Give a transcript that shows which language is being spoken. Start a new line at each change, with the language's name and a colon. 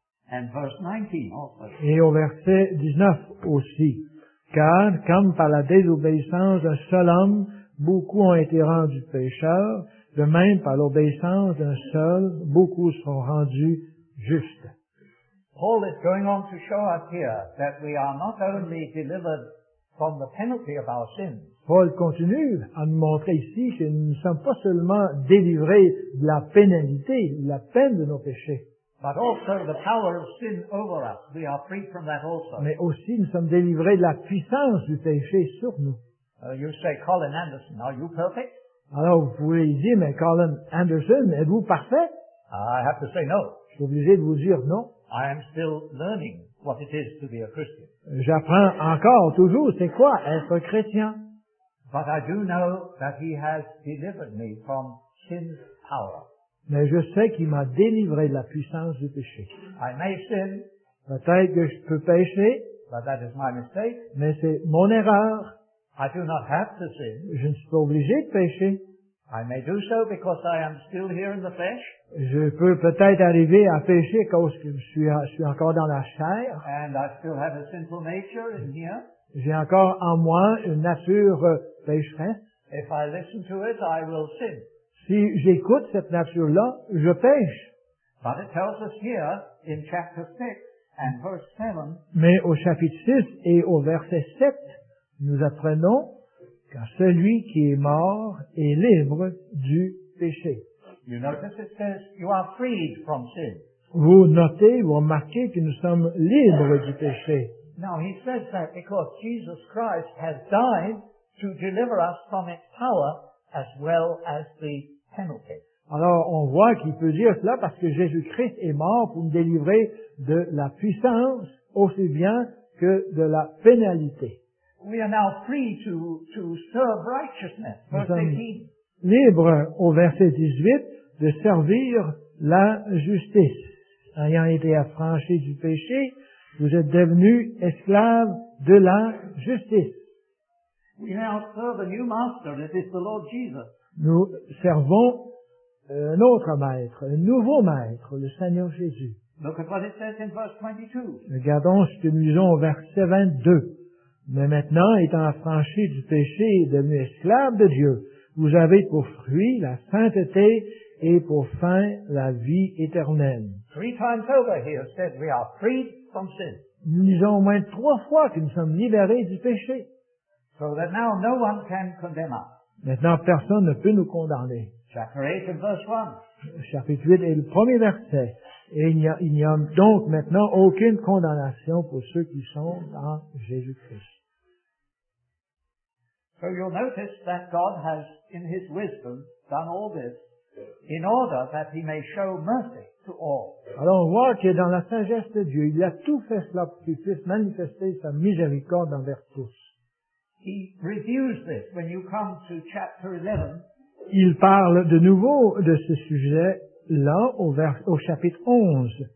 English: And verse 19 also.
French: Et au verset 19 aussi. Car, comme par la désobéissance d'un seul homme, beaucoup ont été rendus pécheurs, de même par l'obéissance d'un seul, beaucoup sont rendus justes.
English: Paul is going on to show us here that we are not only delivered from the penalty of our sins.
French: Paul continue à nous montrer ici que nous ne sommes pas seulement délivrés de la pénalité, de la peine de nos péchés.
English: But also the power of sin over us. We are free from that also.
French: Mais aussi, nous sommes délivrés de la puissance du péché sur nous.
English: You say, Colin Anderson, are you perfect?
French: Alors, vous pouvez dire, mais Colin Anderson, êtes-vous parfait?
English: I have to say no.
French: Je suis obligé de vous dire non.
English: I am still learning what it is to be a Christian.
French: J'apprends encore, toujours, c'est quoi être chrétien?
English: But I do know that he has delivered me from sin's power.
French: Mais je sais qu'il m'a délivré de la puissance du péché.
English: I may sin,
French: peut-être que je peux pécher,
English: but that is my mistake.
French: Mais c'est mon erreur.
English: I do not have to sin.
French: Je ne suis pas obligé de pécher.
English: I may do so because I am still here in the flesh.
French: Je peux peut-être arriver à pécher parce que je suis encore dans la chair.
English: And I still have a sinful nature in here.
French: J'ai encore en moi une nature pécheresse.
English: If I listen to it, I will sin.
French: Si j'écoute cette nature-là, je pêche.
English: But it tells us here in chapter 6 and verse 7,
French: mais au chapitre 6 et au verset 7, nous apprenons que celui qui est mort est libre du péché.
English: You notice it says you are freed from sin.
French: Vous notez, vous remarquez que nous sommes libres du péché.
English: Now he says that because Jesus Christ has died to deliver us from its power. As well as the penalty.
French: Alors, on voit qu'il peut dire cela parce que Jésus-Christ est mort pour nous délivrer de la puissance aussi bien que de la pénalité.
English: We are now free to serve righteousness.
French: Nous sommes libres, au verset 18, de servir la justice. Ayant été affranchis du péché, vous êtes devenus esclaves de la justice.
English: We now serve a new master, and it is the Lord Jesus.
French: Nous servons un autre maître, un nouveau maître, le Seigneur Jésus.
English: Look at what it says in verse 22.
French: Regardons ce que nous disons au verset 22. Mais maintenant, étant affranchis du péché et devenus esclaves de Dieu, vous avez pour fruit la sainteté et pour fin la vie éternelle.
English: Three times over he has said we are freed from sin.
French: Nous disons au moins trois fois que nous sommes libérés du péché.
English: So that now no one can condemn us.
French: Maintenant, personne ne peut nous condamner.
English: Chapter 8 and verse 1.
French: Chapitre 8 est le premier verset. Et il n'y a donc maintenant aucune condamnation pour ceux qui sont en Jésus-Christ.
English: So you'll notice that God has, in his wisdom, done all this in order that he may show mercy to all.
French: Alors on voit que dans la sagesse de Dieu, il a tout fait cela pour qu'il puisse manifester sa miséricorde envers tous.
English: He reviews this when you come to chapter 11.
French: Il parle de nouveau de ce sujet là au chapitre 11.